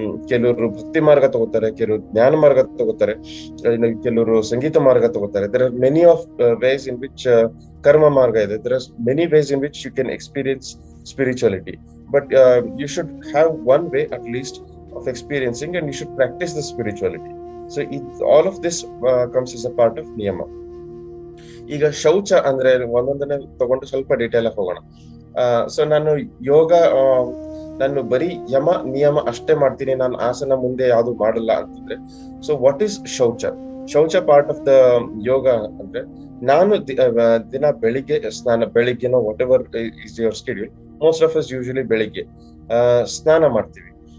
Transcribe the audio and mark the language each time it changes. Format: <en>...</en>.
<kn>ಕೆಲವರು ಭಕ್ತಿ ಮಾರ್ಗ ತಗೋತಾರೆ, ಕೆಲವರು ಜ್ಞಾನ ಮಾರ್ಗ ತಗೋತಾರೆ, ಕೆಲವರು ಸಂಗೀತ ಮಾರ್ಗ ತಗೋತಾರೆ.</kn> <en>there are many of ways in which</en> <kn>ಕರ್ಮ ಮಾರ್ಗ ಇದೆ,</kn> <en>There are many ways in which you can experience spirituality, but you should have one way at least of experiencing, and you should practice the spirituality. So it, all of this comes as a part of niyama.</en> <kn>ಈಗ ಶೌಚ ಅಂದ್ರೆ ಒಂದೊಂದನ್ನ ತಗೊಂಡು ಸ್ವಲ್ಪ detail ಆಗಿ ಹೋಗೋಣ. So ನಾನು ಯೋಗ ನಾನು ಬರೀ ಯಮ ನಿಯಮ ಅಷ್ಟೇ ಮಾಡ್ತೀನಿ, ನಾನು ಆಸನ ಮುಂದೆ ಯಾವ್ದು ಮಾಡಲ್ಲ ಅಂತಂದ್ರೆ, ಸೊ</kn> <en>What is ಶೌಚ?</en> <kn>ಶೌಚ ಪಾರ್ಟ್ ಆಫ್ ದ ಯೋಗ ಅಂದ್ರೆ ನಾನು ದಿನ ಬೆಳಿಗ್ಗೆ ಸ್ನಾನ, ಬೆಳಿಗ್ಗೆನೋ</kn> <en>whatever is your schedule, most of us usually</en> <kn>ಬೆಳಿಗ್ಗೆ ಸ್ನಾನ ಮಾಡ್ತೀವಿ.</kn>